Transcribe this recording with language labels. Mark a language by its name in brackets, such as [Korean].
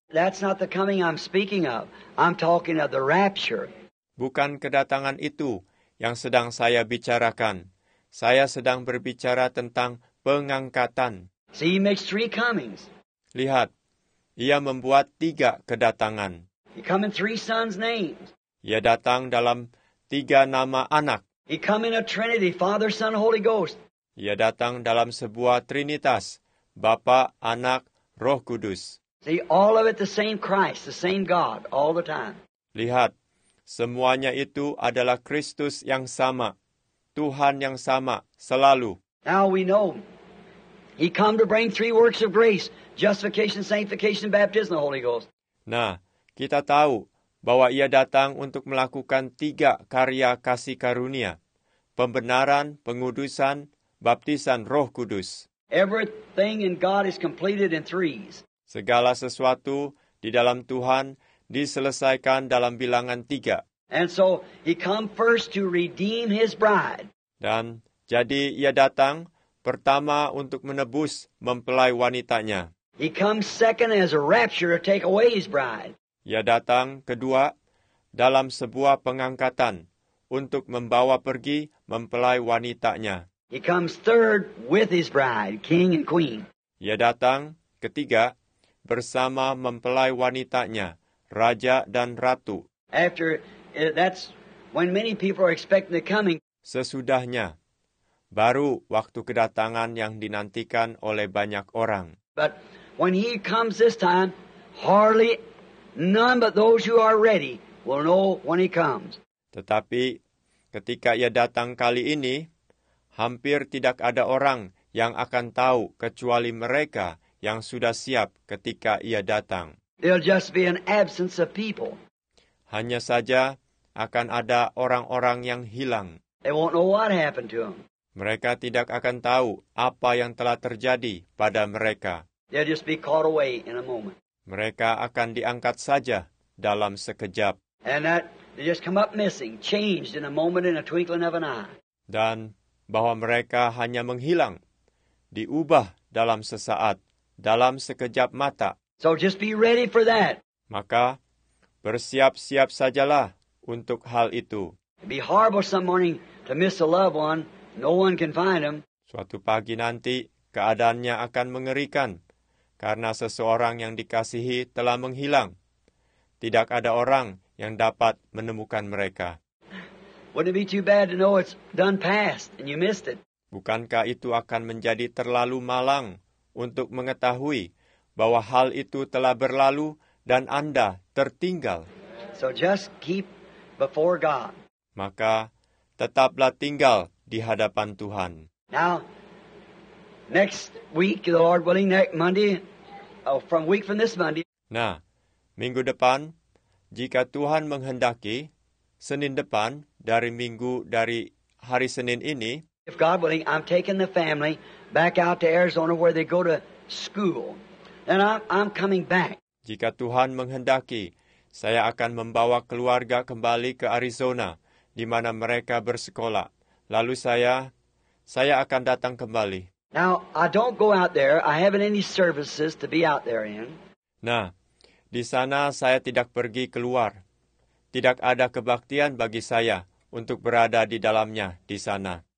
[English] That's not the coming I'm speaking of. I'm talking of the rapture. [Indonesian] Bukan kedatangan itu yang sedang saya bicarakan. Saya sedang berbicara tentang pengangkatan. [English] See, he makes three comings. [Indonesian] Lihat, ia membuat tiga kedatangan. [English] He come in three sons' names. [Indonesian] Ia datang dalam tiga nama anak. [English] He come in a trinity, Father, Son, Holy Ghost. [Indonesian] Ia datang dalam sebuah trinitas, Bapa, Anak, Roh Kudus. [English] See, all of it the same Christ, the same God, all the time. [Indonesian] Lihat, semuanya itu adalah Kristus yang sama, Tuhan yang sama, selalu. [English] Now we know, he come to bring three works of grace, justification, sanctification, baptism, the Holy Ghost. [Indonesian] Nah, kita tahu bahwa ia datang untuk melakukan tiga karya kasih karunia, pembenaran, pengudusan, baptisan Roh Kudus. [English] Everything in God is completed in threes. [Indonesian] Segala sesuatu di dalam Tuhan diselesaikan dalam bilangan tiga. [English] And so he come first to redeem his bride. [Indonesian] Dan jadi ia datang pertama untuk menebus mempelai wanitanya. [English] He come second as a rapture to take away his bride. [Indonesian] Ia datang kedua dalam sebuah pengangkatan untuk membawa pergi mempelai wanitanya. [English] He comes third with his bride, king and queen. [Indonesian] Ia datang ketiga bersama mempelai wanitanya, raja dan ratu. [English] After that's when many people are expecting the coming. [Indonesian] Sesudahnya, baru waktu kedatangan yang dinantikan oleh banyak orang. [English] But when he comes this time, hardly none but those who are ready will know when he comes. [Indonesian] Tetapi ketika ia datang kali ini, hampir tidak ada orang yang akan tahu kecuali mereka yang sudah siap ketika ia datang. [English] There'll just be an absence of people. [Indonesian] Hanya saja akan ada orang-orang yang hilang. [English] They won't know what happened to them. [Indonesian] Mereka tidak akan tahu apa yang telah terjadi pada mereka. [English] They'll just be caught away in a moment. [Indonesian] Mereka akan diangkat saja dalam sekejap. [English] And that they just come up missing, changed in a moment, in a twinkling of an eye. [Indonesian] Dan bahwa mereka hanya menghilang, diubah dalam sesaat, dalam sekejap mata. [English] So just be ready for that. [Indonesian] Maka bersiap-siap sajalah untuk hal itu. [English] It'd be horrible some morning to miss a loved one. No one can find him. [Indonesian] Suatu pagi nanti keadaannya akan mengerikan karena seseorang yang dikasihi telah menghilang. Tidak ada orang yang dapat menemukan mereka. [English] Wouldn't it be too bad to know it's done past and you missed it? [Indonesian] Bukankah itu akan menjadi terlalu malang untuk mengetahui bahwa hal itu telah berlalu dan Anda tertinggal? [English] So just keep before God. [Indonesian] Maka tetaplah tinggal di hadapan Tuhan. [English] Now, next week, the Lord willing, next Monday, from week from this Monday. [Indonesian] Nah, minggu depan, jika Tuhan menghendaki, Senin depan dari minggu dari hari Senin ini. [English] If God willing, I'm taking the family back out to Arizona where they go to school. And I'm coming back. [Indonesian] Jika Tuhan menghendaki, saya akan membawa keluarga kembali ke Arizona, di mana mereka bersekolah. Lalu saya akan datang kembali. [English] Now, I don't go out there. I haven't any services to be out there in. [Indonesian] Nah, di sana saya tidak pergi keluar. Tidak ada kebaktian bagi saya untuk berada di dalamnya di sana.